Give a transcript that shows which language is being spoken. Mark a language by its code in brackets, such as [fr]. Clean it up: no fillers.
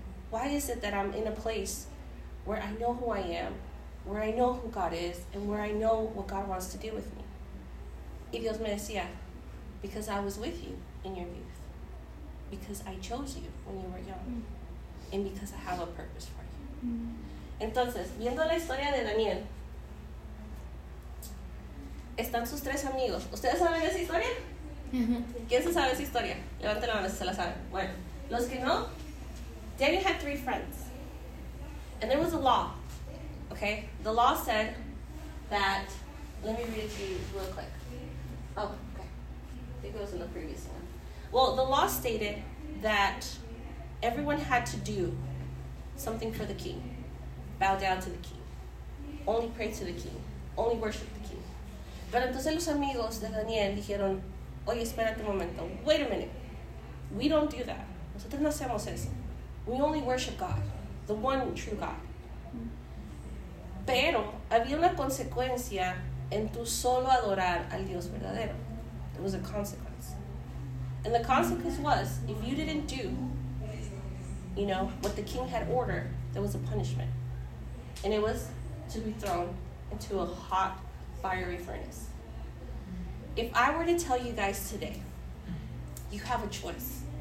[en] Why is it that I'm in a place where I know who I am, where I know who God is, and where I know what God wants to do with me? [es] Y Dios me decía, [en] because I was with you in your youth, because I chose you when you were young, and because I have a purpose for you. [es] Entonces, viendo la historia de Daniel, están sus tres amigos. ¿Ustedes saben esa historia? ¿Quién se sabe esa historia? Levanten la mano si se la saben. Bueno, los que no, [en] Daniel had three friends. And there was a law, okay? The law said that, let me read it to you real quick. Oh, okay. I think it was in the previous one. Well, the law stated that everyone had to do something for the king. Bow down to the king. Only pray to the king. Only worship the king. [es] Pero entonces los amigos de Daniel dijeron, oye, espérate un momento. [en] Wait a minute. We don't do that. [es] Nosotros no hacemos eso. [en] We only worship God. The one true God. [es] Pero había una consecuencia en tu solo adorar al Dios verdadero. [en] There was a consequence. And the consequence was, if you didn't do, you know, what the king had ordered, there was a punishment. And it was to be thrown into a hot, fiery furnace. If I were to tell you guys today, you have a choice.